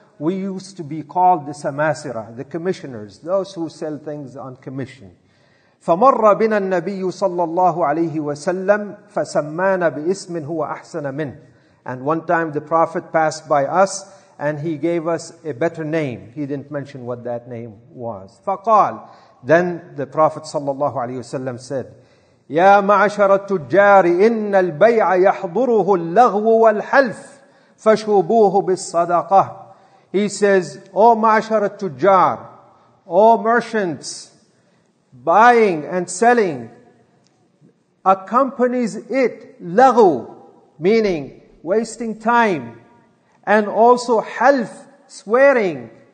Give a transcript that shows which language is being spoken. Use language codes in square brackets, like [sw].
[en] we used to be called the samasira, the commissioners, those who sell things on commission. [ar] فَمَرَّ بِنَا النَّبِيُّ صَلَّى اللَّهُ عَلَيْهِ وَسَلَّمْ فَسَمَّانَ بِإِسْمٍ هُوَ أَحْسَنَ مِنْهِ. [en] And one time the Prophet passed by us and he gave us a better name. He didn't mention what that name was. [ar] فَقَالْ. [en] Then the Prophet [ar] صلى الله عليه وسلم [en] said, [ar] يَا مَعَشَرَ التُّجَّارِ إِنَّ الْبَيْعَ يَحْضُرُهُ اللَّغْوُ وَالْحَلْفِ فَشُوبُوهُ بِالصَّدَقَةِ. [en] He says, O [ar] مَعَشَرَ التُّجَّارِ, [en] O merchants, buying and selling accompanies it لَغْو, meaning wasting time, and also half swearing.